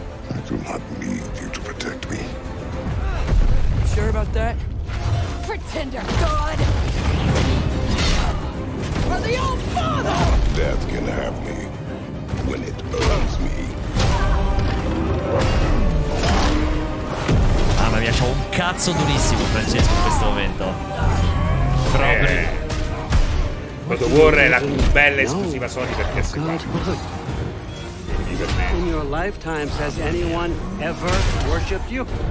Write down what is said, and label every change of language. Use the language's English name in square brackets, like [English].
[English] I do not need you to protect me. You sure about that? Pretender God! For the old father! Death can have me when it earns me. [Italian] Mamma mia, c'ho un cazzo durissimo, Francesco, in questo momento. Proprio. God of War è la più bella esclusiva Sony per PS4. [English] In your lifetime has anyone ever worshipped you?